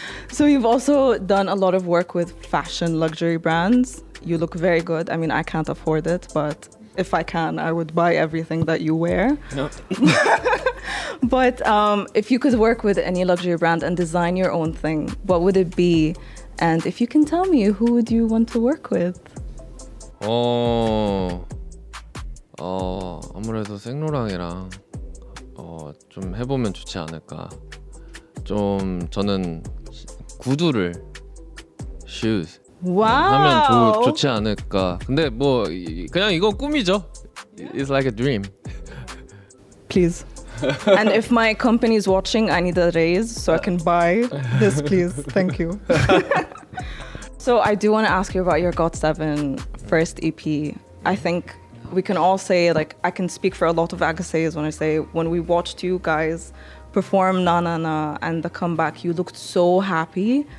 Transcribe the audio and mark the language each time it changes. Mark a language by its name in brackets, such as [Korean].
[English] So you've also done a lot of work with fashion luxury brands. You look very good. I mean, I can't afford it, but if I can, I would buy everything that you wear. But if you could work with any luxury brand and design your own thing, what would it be? And if you can tell me, who would you want to work with? [Korean] Oh, 아무래도 생로랑이랑 좀 해보면 좋지 않을까. 좀 저는 구두를 shoes. [English] Wow. [Korean] 하면 좋지 않을까. 근데 뭐 그냥 이건 꿈이죠. [English] It's like a dream. Please. And if my company is watching, I need a raise so I can buy this, please. Thank you. So I do want to ask you about your GOT7 first EP. I think we can all say, like, I can speak for a lot of Agassiz when I say, when we watched you guys perform Na Na Na and the comeback, you looked so happy.